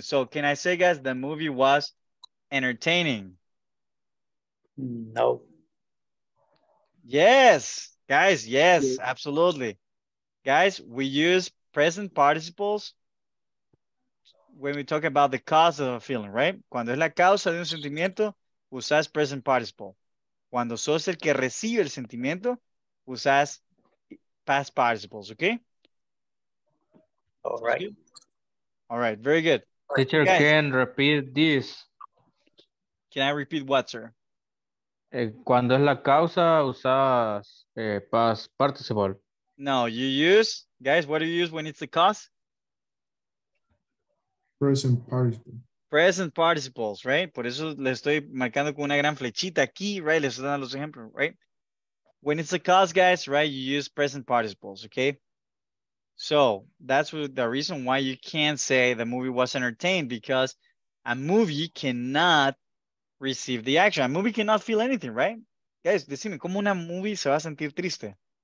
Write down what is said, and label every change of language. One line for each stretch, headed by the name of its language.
English: So can I say, guys, the movie was entertaining? No. Yes. Guys, yes, absolutely. Guys, we use present participles when we talk about the cause of a feeling, right?
Spanish: Cuando es la causa de un sentimiento, usas present participle. Cuando sos el que recibe el sentimiento, usas past participles, okay?
English: All right. All right, very good. Teacher, guys, can repeat this? Can I repeat what, sir?
Spanish: Cuando es la causa, usas past participle.
English: No, you use, guys, what do you use when it's the cause? Present participle. Present participles, right?
Spanish: Por eso le estoy marcando con una gran flechita aquí, right? Les estoy dando los ejemplos, right?
English: When it's a cause, guys, right, you use present participles, okay? So that's what the reason why you can't say the movie was entertained, because a movie cannot receive the action. A movie cannot feel anything, right?
Spanish: Guys, decime, ¿cómo una movie se va a sentir triste?